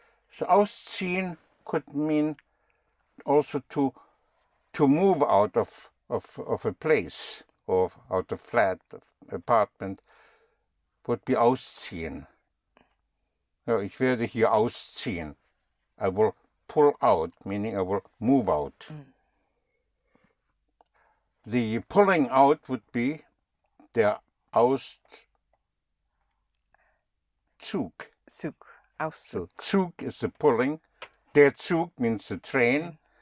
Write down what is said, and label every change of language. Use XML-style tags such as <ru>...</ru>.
<en>So ausziehen could mean also to move out of a place or out of flat of apartment would be ausziehen.</en> <de>Ja, ich werde hier ausziehen.</de> <en>I will pull out, meaning I will move out. The pulling out would be der Auszug.</en> <de>Zug. Auszug.</de> <en>So Zug is the pulling. Der Zug means the train.</en>